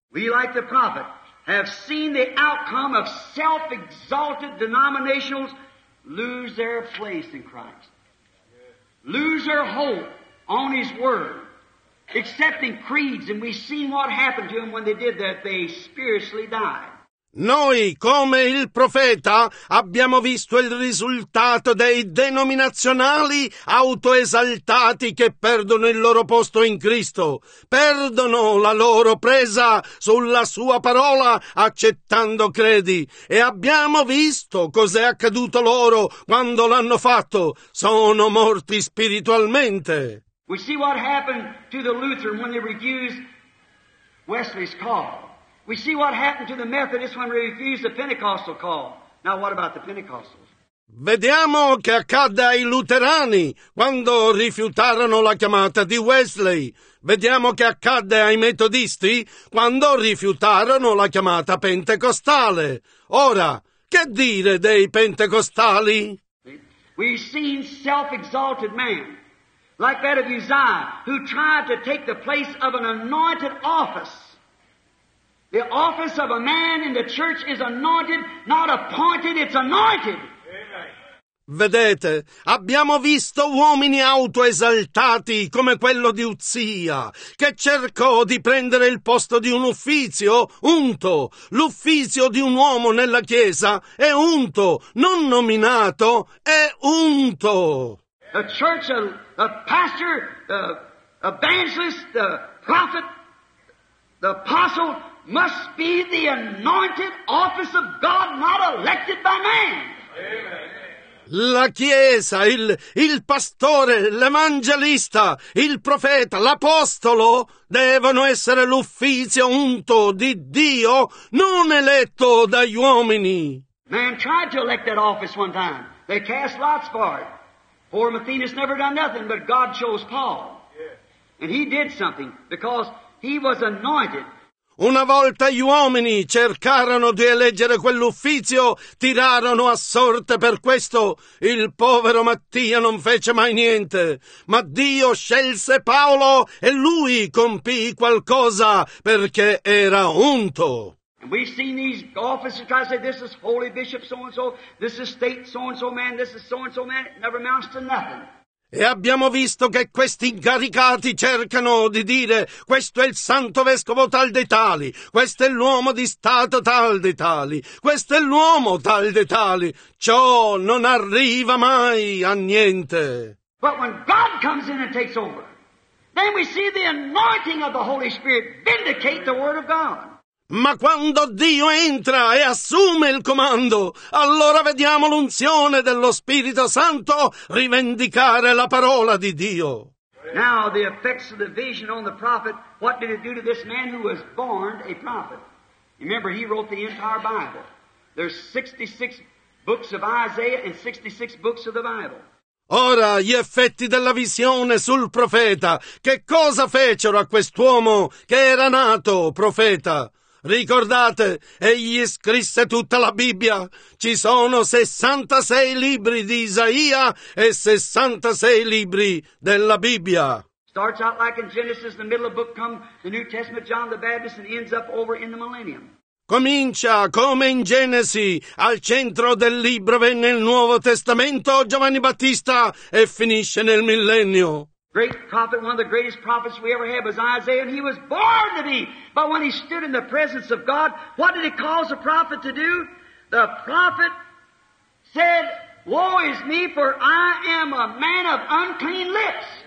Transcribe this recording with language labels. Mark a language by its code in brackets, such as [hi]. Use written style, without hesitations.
[en] We like the prophet have seen the outcome of self-exalted denominations lose their place in Christ. Lose their hope on His Word, accepting creeds, and we've seen what happened to them when they did that, they spiritually died. [it] Noi, come il profeta, abbiamo visto il risultato dei denominazionali autoesaltati che perdono il loro posto in Cristo, perdono la loro presa sulla sua parola accettando credi, e abbiamo visto cos'è accaduto loro quando l'hanno fatto, sono morti spiritualmente. [en] We see what happened to the Lutheran when they refused Wesley's call. We see what happened to the Methodist when they refused the Pentecostal call. Now what about the Pentecostals? [it] Vediamo che accadde ai luterani quando rifiutarono la chiamata di Wesley. Vediamo che accadde ai metodisti quando rifiutarono la chiamata pentecostale. Ora, che dire dei pentecostali? [en] We've seen self-exalted man. Like that of Uzziah, who tried to take the place of an anointed office. The office of a man in the church is anointed, not appointed, it's anointed. [it] Vedete, abbiamo visto uomini autoesaltati come quello di Uzzia, che cercò di prendere il posto di un ufficio unto. L'ufficio di un uomo nella chiesa è unto, non nominato, è unto. [en] A church, a pastor, the evangelist, the prophet, the apostle must be the anointed office of God, not elected by man. Amen. [it] La Chiesa, il pastore, l'evangelista, il profeta, l'apostolo devono essere l'ufficio unto di Dio, non eletto dagli uomini. [en] Man tried to elect that office one time. They cast lots for it. Poor Matthias never done nothing, but God chose Paul. And he did something, because he was anointed. [it] Una volta gli uomini cercarono di eleggere quell'ufficio, tirarono a sorte per questo. Il povero Mattia non fece mai niente. Ma Dio scelse Paolo e lui compì qualcosa, perché era unto. [en] And we've seen these officers try to say, this is holy bishop so-and-so, this is state so-and-so man, this is so-and-so man. It never amounts to nothing. [it] E abbiamo visto che questi incaricati cercano di dire, questo è il santo vescovo tal dei tali, questo è l'uomo di stato tal dei tali, questo è l'uomo tal dei tali. Ciò non arriva mai a niente. [en] But when God comes in and takes over, then we see the anointing of the Holy Spirit vindicate the Word of God. [it] Ma quando Dio entra e assume il comando, allora vediamo l'unzione dello Spirito Santo rivendicare la parola di Dio. [en] Now the effects of the vision on the prophet, what did it do to this man who was born a prophet? Remember, he wrote the entire Bible. There's 66 books of Isaiah and 66 books of the Bible. [it] Ora, gli effetti della visione sul profeta, che cosa fecero a quest'uomo che era nato profeta? Ricordate, egli scrisse tutta la Bibbia. Ci sono 66 libri di Isaia e 66 libri della Bibbia. [en] Starts out like in Genesis, the middle of the book come the New Testament, John the Baptist, and ends up over in the millennium. [it] Comincia come in Genesi, al centro del libro venne il Nuovo Testamento, Giovanni Battista, e finisce nel millennio. [en] Great prophet, one of the greatest prophets we ever had was Isaiah, and he was born to be. But when he stood in the presence of God, what did he cause a prophet to do? The prophet said, woe is me, for I am a man of unclean lips.